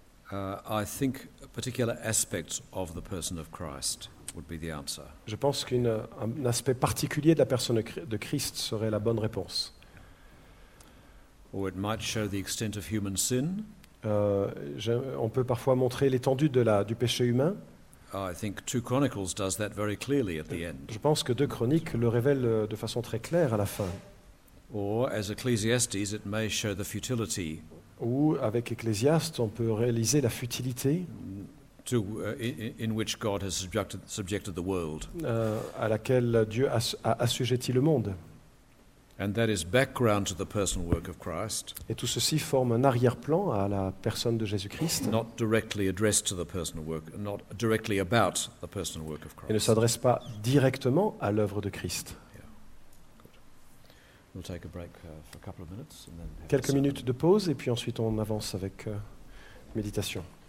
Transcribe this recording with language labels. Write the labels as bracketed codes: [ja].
[en] I think particular aspects of the person of Christ would be the answer. [fr] Je pense qu'une un aspect particulier de la personne de Christ serait la bonne réponse. [en] Or it might show the extent of human sin. [fr] On peut parfois montrer l'étendue de du péché humain. [en] I think 2 Chronicles does that very clearly at the end. [fr] Je pense que 2 Chroniques le révèle de façon très claire à la fin. [en] Or as Ecclesiastes it may show the futility. [fr] Ou avec Ecclésiaste, on peut réaliser la futilité [en] in which God has subjected the world. [fr] À laquelle Dieu a assujetti le monde. [en] And that is background to the personal work of Christ. [fr] Et tout ceci forme un arrière-plan à la personne de Jésus-Christ. [en] Not directly addressed to the personal work, not directly about the personal work of Christ. [fr] Il ne s'adresse pas directement à l'œuvre de Christ. [en] We'll take a break for a couple of minutes and then [fr] quelques minutes de pause et puis ensuite on avance avec méditation.